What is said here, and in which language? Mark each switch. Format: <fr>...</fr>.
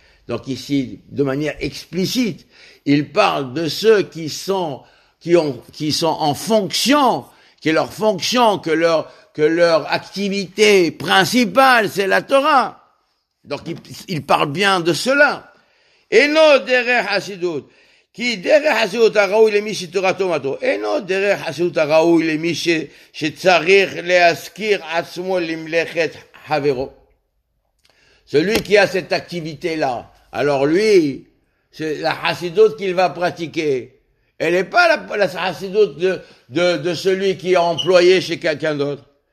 <fr>Donc ici, de manière explicite, il parle de ceux qui sont en fonction, qui est leur fonction, que leur activité principale, c'est la Torah. Donc il parle bien de cela. Et non, derrière Hassidut,</fr> <he>כי דרך חסידות הראוי למי שתורה תומתו, אינו דרך חסידות הראוי למי ש... שצריך להזכיר עצמו למלאכת חברו.</he> <fr>Celui qui a cette activité-là, alors lui, c'est la chassidut qu'il va pratiquer. Elle n'est pas la chassidut de celui qui est employé chez quelqu'un d'autre.</fr>